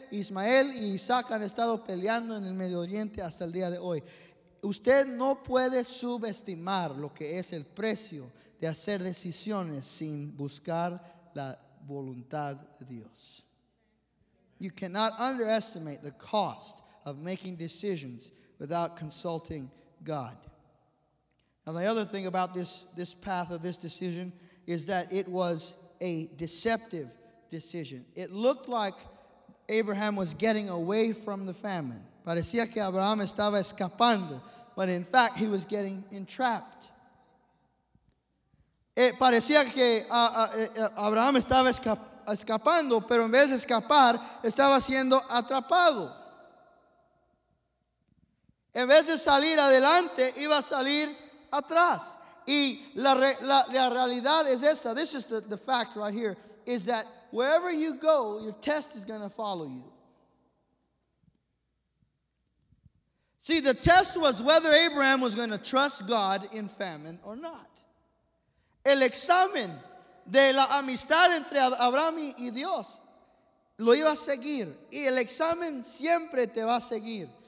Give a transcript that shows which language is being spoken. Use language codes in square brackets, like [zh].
[es] Ismael y Isaac han estado peleando en el Medio Oriente hasta el día de hoy. Usted no puede subestimar lo que es el precio de hacer decisiones sin buscar la voluntad de Dios. [en] You cannot underestimate the cost of making decisions without consulting God. Now the other thing about this path of this decision is that it was a deceptive decision. It looked like Abraham was getting away from the famine. [es] Parecía que Abraham estaba escapando, [en] but in fact he was getting entrapped. [es] Parecía que Abraham estaba escapando, pero en vez de escapar, estaba siendo atrapado. En vez de salir adelante, iba a salir atrás. Y la realidad es esta. [en] This is the fact right here. Is that wherever you go, your test is going to follow you. See, the test was whether Abraham was going to trust God in famine or not. [es] El examen de la amistad entre Abraham y Dios lo iba a seguir. Y el examen siempre te va a seguir.